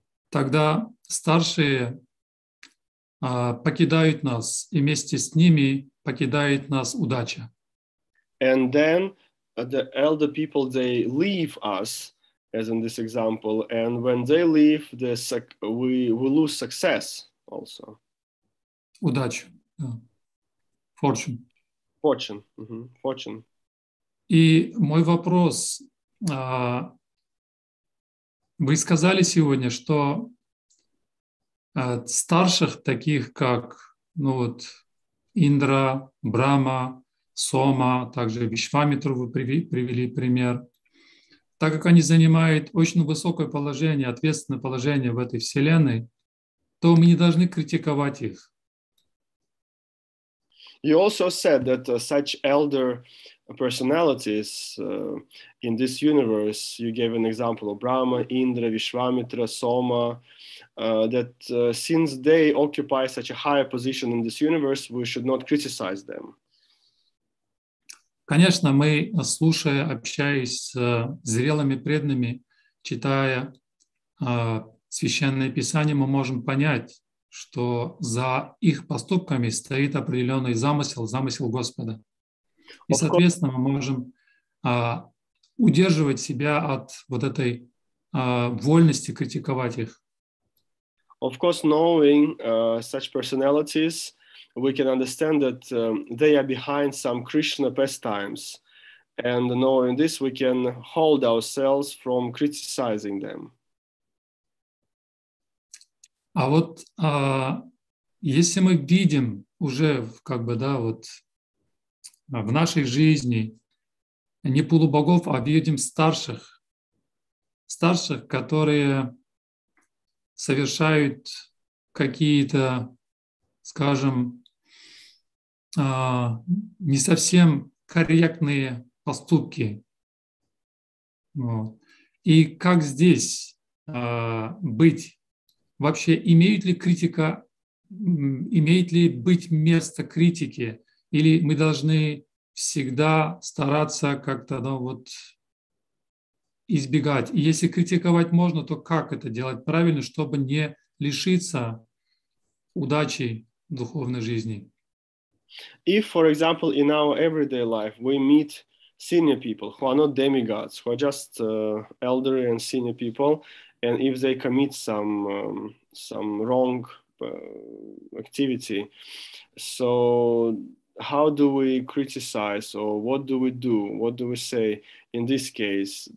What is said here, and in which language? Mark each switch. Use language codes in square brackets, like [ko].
[ru] Тогда старшие покидают нас, и вместе с ними покидает нас удача. [en] And then the elder people, they leave us, as in this example, and when they leave, we lose success. Also. [ru] Удачу. [en] Fortune. Fortune. Mm-hmm. Fortune. [ru] И мой вопрос. Вы сказали сегодня, что старших, таких как Индра, Брама, Сома, также Вишвамитру вы привели пример. Так как они занимают очень высокое положение, ответственное положение в этой вселенной, то мы не должны критиковать их. [en] You also said that such elder personalities in this universe, you gave an example of Brahma, Indra, Vishwamitra, Soma, that since they occupy such a high position in this universe, we should not criticize them. [ru] Конечно, мы, слушая, общаясь с зрелыми преданными, читая Священное Писание, мы можем понять, что за их поступками стоит определенный замысел, замысел Господа. И, соответственно, мы можем удерживать себя от вот этой вольности критиковать их. [en] Of course, knowing such personalities, we can understand that they are behind some Krishna pastimes. And knowing this, we can hold ourselves from criticizing them. [ru] А вот если мы видим уже в нашей жизни не полубогов, а видим старших, которые совершают какие-то, не совсем корректные поступки. И как здесь быть? Вообще, имеет ли быть место критике, или мы должны всегда стараться как-то избегать? И если критиковать можно, то как это делать правильно, чтобы не лишиться удачи в духовной жизни? [en] If, for example, in our everyday life we meet senior people who are not demigods, who are just elder and senior people, and if they commit some wrong activity, so how do we criticize, or what do we do, what do we say in this case?